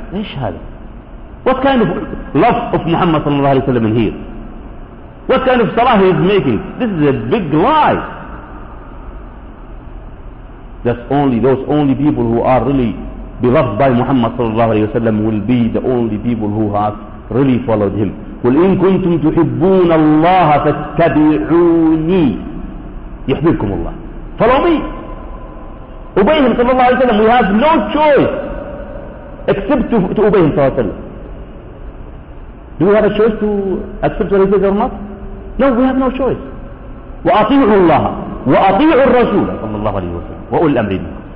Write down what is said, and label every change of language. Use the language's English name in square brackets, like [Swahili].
[Arabic] إيش هذا? [English] What kind of love of Muhammad [Arabic] صلى الله عليه وسلم [English] in here? What kind of salah he is making? This is a big lie. That's only those only people who are really beloved by Muhammad [Arabic] صلى الله عليه وسلم [English] will be the only people who have really followed him. [Arabic] قل إن كنتم تحبون الله فاتبعوني يحببكم الله. [English] Follow me. Obey him [Arabic] صلى الله عليه وسلم. [English] We have no choice except to obey him صلى الله عليه وسلم. Do we have a choice to accept what he says or not? No, we have no choice. [Arabic] وأطيعوا الله وأطيعوا الرسول صلى الله عليه وسلم وأولي الأمر منكم.